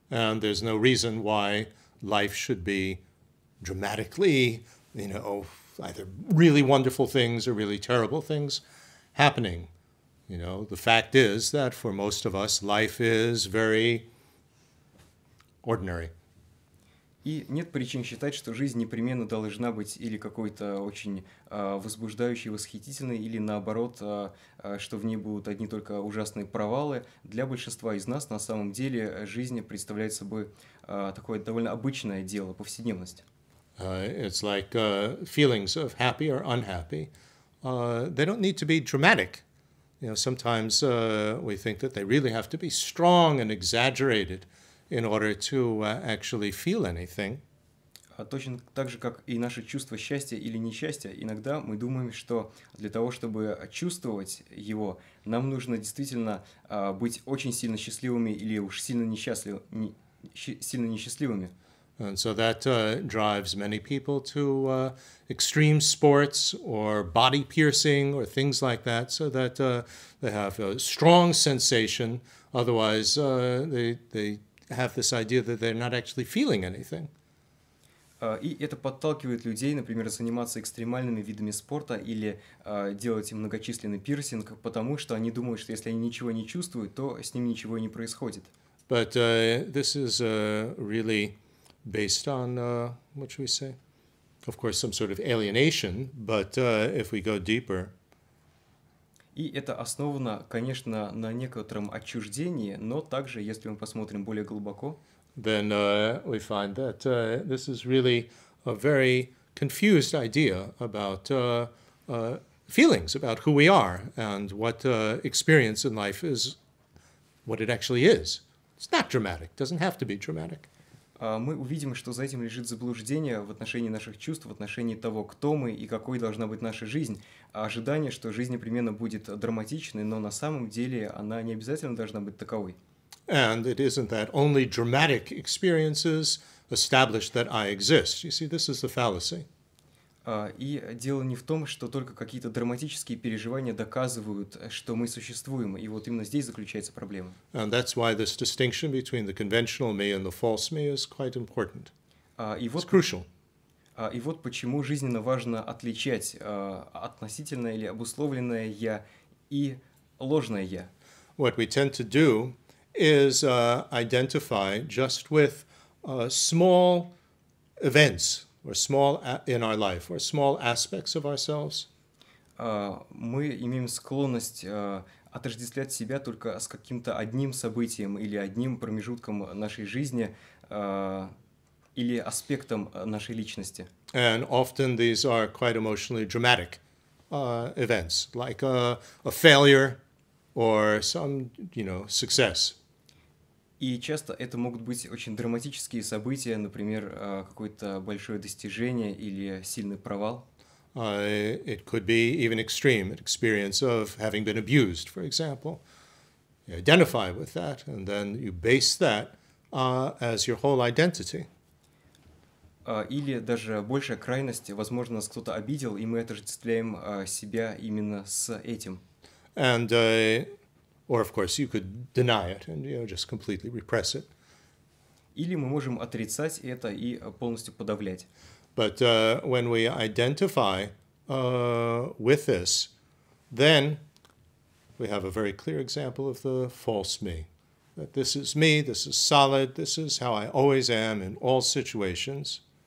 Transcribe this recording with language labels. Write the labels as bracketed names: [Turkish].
[English] And there's no reason why life should be dramatically, you know, either really wonderful things or really terrible things happening. You know, the fact is that for most of us, life is very ordinary. [Russian] И нет причин считать, что жизнь непременно должна быть или какой-то очень возбуждающей, восхитительной, или наоборот, что в ней будут одни только ужасные провалы. Для большинства из нас на самом деле жизнь представляет собой такое довольно обычное дело, повседневность. [English] It's like feelings of happy or unhappy. They don't need to be dramatic. You know, sometimes we think that they really have to be strong and exaggerated in order to actually feel anything. [Russian] Точно так же, как и наше чувство счастья или несчастья, иногда мы думаем, что для того, чтобы чувствовать его, нам нужно действительно быть очень сильно счастливыми или уж сильно несчастливыми. [English] And so that drives many people to extreme sports or body piercing or things like that, so that they have a strong sensation, otherwise they have this idea that they're not actually feeling anything. [Russian] И это подталкивает людей, например, заниматься экстремальными видами спорта или делать многочисленный пирсинг, потому что они думают, что если они ничего не чувствуют, то с ним ничего и не происходит. [English] But this is really based on, what should we say? Of course, some sort of alienation, but if we go deeper... [Russian] И это основано, конечно, на некотором отчуждении, но также, если мы посмотрим более глубоко, [English] then we find that this is really a very confused idea about feelings, about who we are and what experience in life is, what it actually is. It's not dramatic, doesn't have to be dramatic. [Russian] Мы увидим, что за этим лежит заблуждение в отношении наших чувств, в отношении того, кто мы и какой должна быть наша жизнь. Ожидание, что жизнь непременно будет драматичной, но на самом деле она не обязательно должна быть таковой. [English] And it isn't that only dramatic experiences establish that I exist. You see, this is the fallacy. [Russian] И дело не в том, что только какие-то драматические переживания доказывают, что мы существуем, и вот именно здесь заключается проблема. [English] And that's why this distinction between the conventional me and the false me is quite important. It's crucial. [Russian] И вот почему жизненно важно отличать относительное или обусловленное я и ложное я. [English] What we tend to do is identify just with small events, or small in our life, or small aspects of ourselves. [Russian] Мы имеем склонность отождествлять себя только с каким-то одним событием или одним промежутком нашей жизни или аспектом нашей личности. [English] And often these are quite emotionally dramatic events, like a failure or some, you know, success. [Russian] И часто это могут быть очень драматические события, например, какое-то большое достижение или сильный провал. [English] It could be even extreme, an experience of having been abused, for example. You identify with that, and then you base that as your whole identity. [Russian] Или даже большая крайность, возможно, нас кто-то обидел, и мы отождествляем себя именно с этим. [English] And... Or, of course, you could deny it and, you know, just completely repress it. [Russian] Или мы можем отрицать это и полностью подавлять. [English] But when we identify with this, then we have a very clear example of the false me. That this is me, this is solid, this is how I always am in all situations.